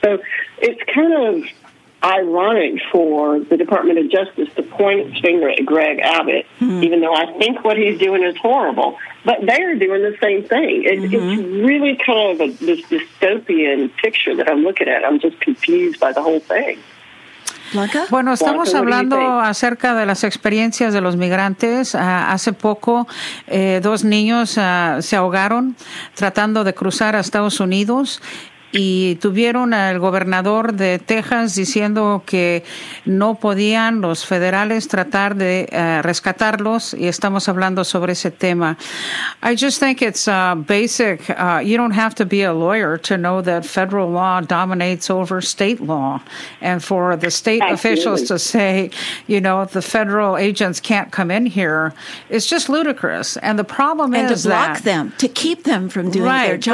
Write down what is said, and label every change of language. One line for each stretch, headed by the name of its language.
English: So it's kind of ironic for the Department of Justice to point its finger at Greg Abbott, even though I think what he's doing is horrible. But they're doing the same thing. It's really kind of this dystopian picture that I'm looking at. I'm just confused by the whole thing. Blanca?
Spanish: Bueno, estamos hablando acerca de las experiencias de los migrantes. Hace poco, dos niños se ahogaron tratando de cruzar a Estados Unidos. Y tuvieron al gobernador de Texas diciendo que no podían los federales tratar de rescatarlos, y estamos hablando sobre ese tema.
English: I just think it's basic. You don't have to be a lawyer to know that federal law dominates over state law. And for the state officials to say, you know, the federal agents can't come in here, it's just ludicrous. And the problem and is that... And to block them, to keep them from doing their job.